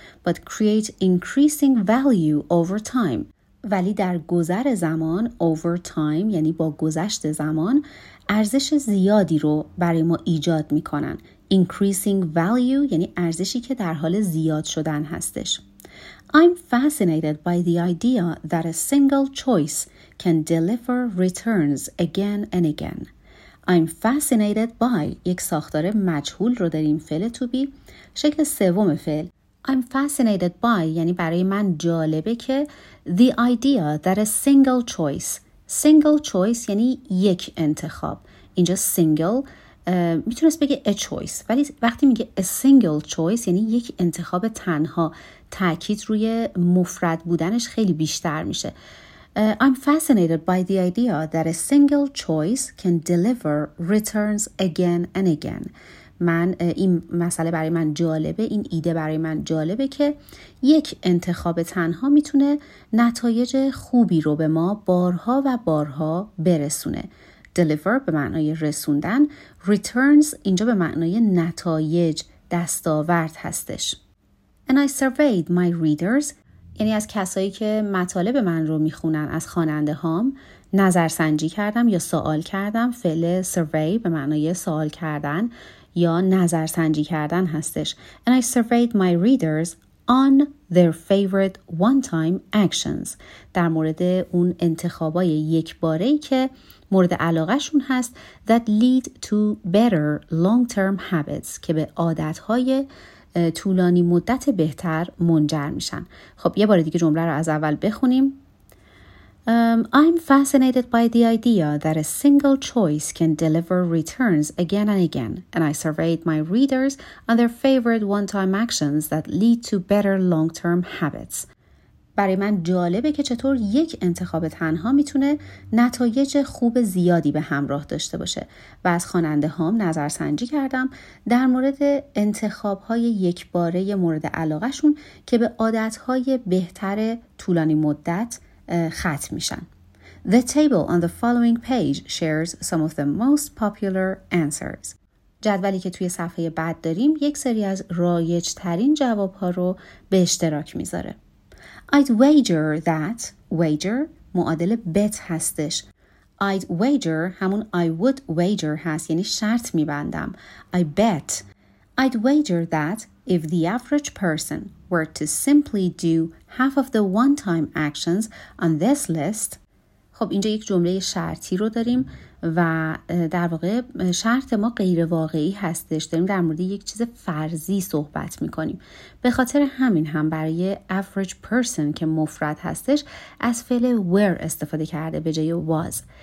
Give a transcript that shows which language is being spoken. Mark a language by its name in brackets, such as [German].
[English] But create increasing value over time. [Persian] ولی در گذر زمان [English] over time [Persian] یعنی با گذشت زمان ارزش زیادی رو برای ما ایجاد می کنن. [English] Increasing value [Persian] یعنی ارزشی که در حال زیاد شدن هستش. [English] I'm fascinated by the idea that a single choice can deliver returns again and again. I'm fascinated by [Persian] یک ساختار مجهول رو داریم فعل to be. شکل سوم فعل [English] I'm fascinated by [Persian] یعنی برای من جالبه که [English] the idea that a single choice. Single choice [Persian] یعنی یک انتخاب. اینجا single میتونست بگه [English] a choice. [Persian] ولی وقتی میگه [English] a single choice [Persian] یعنی یک انتخاب تنها. تأکید روی مفرد بودنش خیلی بیشتر میشه. [English] I'm fascinated by the idea that a single choice can deliver returns again and again. [Persian] من این مسئله برای من جالبه، این ایده برای من جالبه که یک انتخاب تنها میتونه نتایج خوبی رو به ما بارها و بارها برسونه. Deliver به معنای رسوندن، returns اینجا به معنای نتایج دستاورد هستش. [English] And I surveyed my readers، [Persian] یعنی از کسایی که مطالب من رو میخونن، از خواننده هام، نظرسنجی کردم یا سوال کردم. فعل survey به معنای سوال کردن، یا نظرسنجی کردن هستش. [English] And I surveyed my readers on their favorite one-time actions. [Persian] در مورد اون انتخابای یک باره‌ای که مورد علاقه‌شون هست [English] that lead to better long-term habits [Persian] که به عادت‌های طولانی مدت بهتر منجر میشن. خب یه بار دیگه جمله رو از اول بخونیم. [English] I'm fascinated by the idea that a single choice can deliver returns again and again, and I surveyed my readers on their favorite one-time actions that lead to better long-term habits. [Persian] برای من جالبه که چطور یک انتخاب تنها میتونه نتایج خوب زیادی به همراه داشته باشه و از خواننده هام نظرسنجی کردم در مورد انتخاب‌های یک باره مورد علاقه‌شون که به عادت‌های بهتر طولانی مدت ختم میشن. [English] The table on the following page shares some of the most popular answers. [Persian] جدولی که توی صفحه بعد داریم یک سری از رایج ترین جواب ها رو به اشتراک میذاره. [English] I'd wager that wager [Persian] معادل [English] bet [Persian] هستش. [English] I'd wager [Persian] همون [English] I would wager [Persian] هست، یعنی شرط میبندم. [English] I bet I'd wager that if the average person were to simply do half of the one-time actions on this list. [Persian] خب اینجا یک جمله شرطی رو داریم و در واقع شرط ما غیر واقعی هستش، داریم در مورد یک چیز فرضی صحبت میکنیم. به خاطر همین هم برای [English] average person [Persian] که مفرد هستش از فعل were استفاده کرده به جای was.